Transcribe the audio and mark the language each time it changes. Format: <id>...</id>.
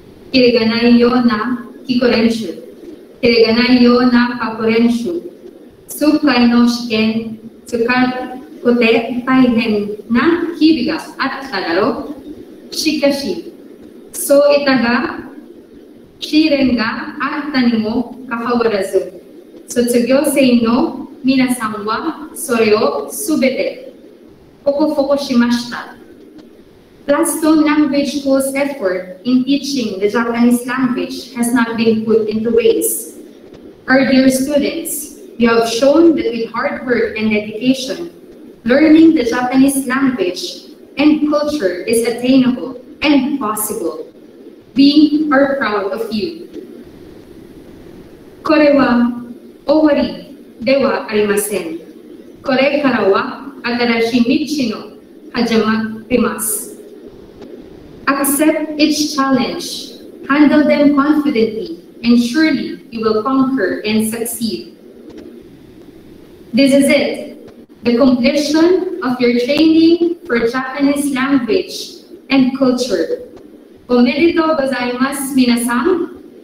<ja>キレがないような聞く練習、キレがないような書く練習、数回の試験使って大変な日々があっただろう。しかし、そういったが試練があったにもかかわらず、卒業生の皆さんはそれをすべて克服しました。</ja> <en>Blackstone Language School's effort in teaching the Japanese language has not been put into waste. Our dear students, you have shown that with hard work and dedication, learning the Japanese language and culture is attainable and possible. We are proud of you.</en> <ja>これは終わりではありません。これからは新しい道の始まります。</ja> <en>Accept each challenge, handle them confidently, and surely you will conquer and succeed. This is it, the completion of your training for Japanese language and culture.</en> <ja>おめでとうございます、皆さん。</ja>